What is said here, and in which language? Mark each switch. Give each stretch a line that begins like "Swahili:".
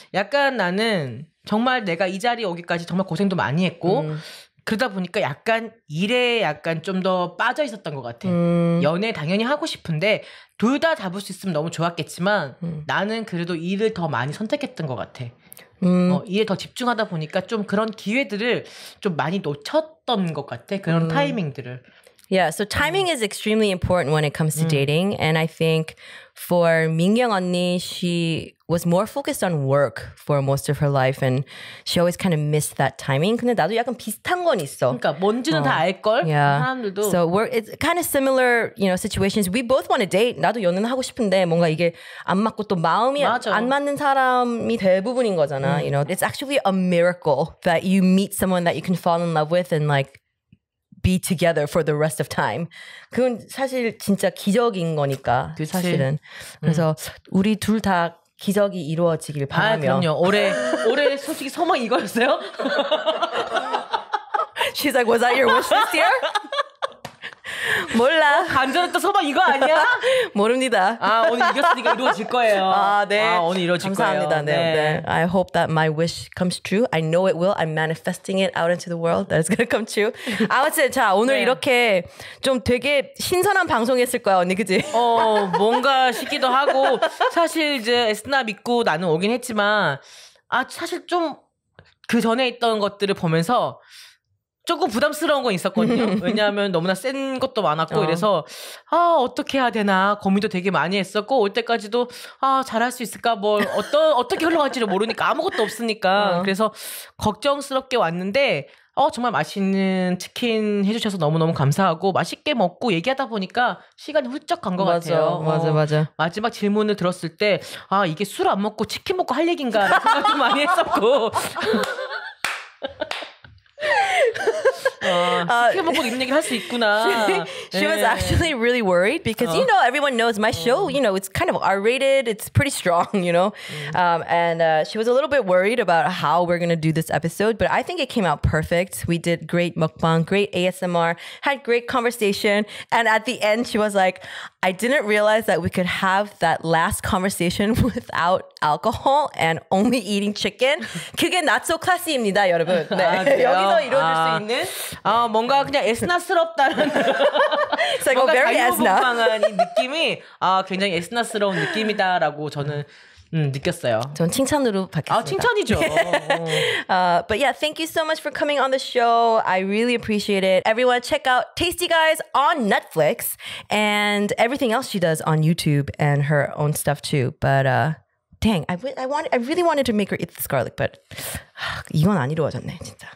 Korean: 약간 나는 정말 내가 이 자리에 오기까지 정말 고생도 많이 했고 그러다 보니까 약간 일에 약간 좀 더 빠져 있었던 것 같아. 연애 당연히 하고 싶은데 둘 다 잡을 수 있으면 너무 좋았겠지만 나는 그래도 일을 더 많이 선택했던 것 같아. 일에 더 집중하다 보니까 좀 그런 기회들을 좀 많이 놓쳤던 것 같아. 그런 타이밍들을.
English: Yeah, so timing is extremely important when it comes to dating. And I think for 민경 언니, she was more focused on work for most of her life. And she always kind of missed that timing.
Korean: 근데 나도 약간 비슷한 건 있어. 그러니까 뭔지는 다 알걸?
English: Yeah.
Korean: 사람들도.
English: So we're, it's kind of similar, you know, situations. We both want to date.
Korean: 나도 연애는 하고 싶은데 뭔가 이게 안 맞고 또 마음이 맞아. 안 맞는 사람이 대부분인 거잖아.
English: You know, it's actually a miracle that you meet someone that you can fall in love with and like, be together for the rest of time.
Korean: 그건 사실 진짜 기적인 거니까. 그치. 사실은. 그래서 우리 둘 다 기적이 이루어지길 바라며. 아, 그럼요. 올해 솔직히 소망 이거였어요?
English: She's like, was that your wish this year?
Korean: 몰라. 간절했던 소망 이거 아니야? 모릅니다. 아, 오늘 이겼으니까 이루어질 거예요. 아, 네. 아, 오늘 이루어질 감사합니다. 거예요. 감사합니다.
English: 네. I hope that my wish comes true. I know it will. I'm manifesting it out into the world that it's going to come true.
Korean: 아무튼 자, 오늘 네. 이렇게 좀 되게 신선한 방송했을 거야, 언니. 그지? 뭔가 싶기도 하고 사실 이제 에스나 믿고 나는 오긴 했지만 아, 사실 좀 그 전에 있던 것들을 보면서 조금 부담스러운 건 있었거든요. 왜냐하면 너무나 센 것도 많았고 이래서 어떻게 해야 되나 고민도 되게 많이 했었고 올 때까지도 잘할 수 있을까 뭐 어떻게 흘러갈지를 모르니까 아무것도 없으니까 그래서 걱정스럽게 왔는데 정말 맛있는 치킨 해주셔서 너무너무 감사하고 맛있게 먹고 얘기하다 보니까 시간이 훌쩍 간 것 같아요. 맞아. 마지막 질문을 들었을 때 이게 술 안 먹고 치킨 먹고 할 얘기인가 생각도 많이 했었고 시켜 먹고 이런 얘기를 할 수 있구나.
English: She was actually really worried because you know everyone knows my show. You know it's kind of R-rated. It's pretty strong. You know, and she was a little bit worried about how we're gonna do this episode. But I think it came out perfect. We did great mukbang, great ASMR, had great conversation, and at the end she was like, I didn't realize that we could have that last conversation without alcohol and only eating chicken.
Korean: 그게
English: not so classy
Korean: 입니다, 여러분. 네. 아, 여기서 이루어질 아, 수 있는 아, 뭔가 그냥 에스나스럽다는
English: It's like,
Korean: 뭔가
English: very
Korean: 에스나. 먹방한 이 느낌이 아, 굉장히 에스나스러운 느낌이다라고 저는 느꼈어요. 전 칭찬으로 받겠습니다. 아, 칭찬이죠.
English: but yeah, thank you so much for coming on the show. I really appreciate it. Everyone check out Tasty Guys on Netflix and everything else she does on YouTube and her own stuff too. But dang, I really wanted to make her eat this garlic, but
Korean: 이건 안 이루어졌네, 진짜.